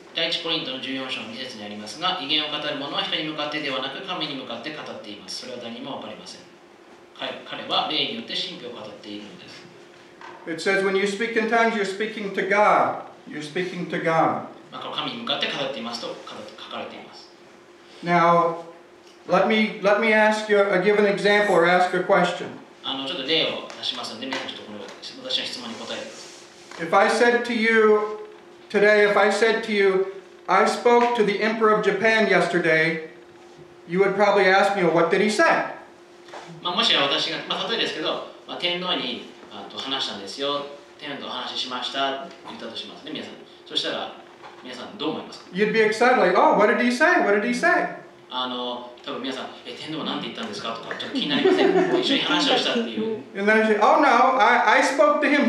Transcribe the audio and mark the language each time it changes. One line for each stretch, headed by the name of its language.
Japanese: 第1コリントの14章の2節にありますが、異言を語る者は人に向かってではなく神に向かって語っています。それは誰にも分かりません。彼は霊によって神秘を語っているのです。
English: It says, when you speak in tongues, you're speaking to God. You're speaking to God.
Japanese: まあ、神に向かって語っていますと書かれています。
English: Now, let me ask you, give an example or ask a question.
Japanese: ちょっと例を出しますので、皆さんちょっとこの私の質問に答えてください。
English: If I said to youToday, if I said to you, I spoke to the Emperor of Japan yesterday, you would probably ask me, well, what did he say?
Japanese: まあ、もし私が、まあ、例えばですけど、まあ、天皇に、話したんですよ、天皇と話しましたと言ったとしますね、皆さん。そしたら、皆さんどう思いますか?
English: You'd be excited, like, oh, what did he say? What did he say?
Japanese: 多分皆さん、え、天皇は何て言ったんですかとか、ちょっと気になりません。一緒に話をしたっていう。
English: And then I say, oh no, I spoke to him.